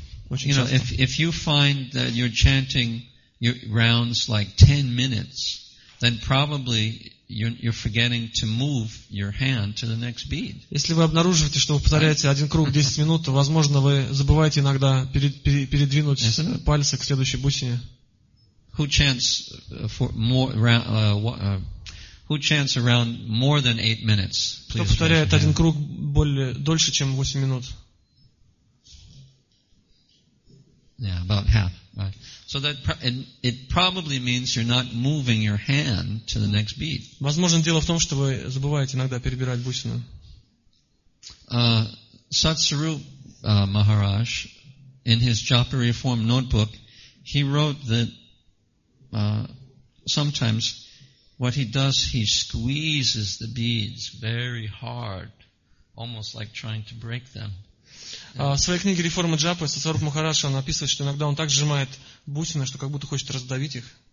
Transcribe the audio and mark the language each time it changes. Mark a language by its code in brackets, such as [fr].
[en] You know, if you find that you're chanting your rounds like 10 minutes, then probably you're forgetting to move your hand to the next bead. [ru] Если вы обнаруживаете, что вы повторяете один круг 10 минут, то, возможно, вы забываете иногда передвинуть пальцы к следующей бусине. [en] Who chants for around more than 8 minutes? [ru] Кто повторяет один круг более дольше, чем 8 минут? [en] Yeah, about half. Right. So that it probably means you're not moving your hand to the next beat. [ru] Возможно, дело в том, что вы забываете иногда перебирать бусины. [en] Satsarup Maharaj, in his Japa Reform notebook, he wrote that sometimes what he does, he squeezes the beads very hard, almost like trying to break them. [ru] В своей книге «Реформа Джапы» Сатсваруп Махараджа описывает, что иногда он так сжимает бусины, что как будто хочет раздавить их.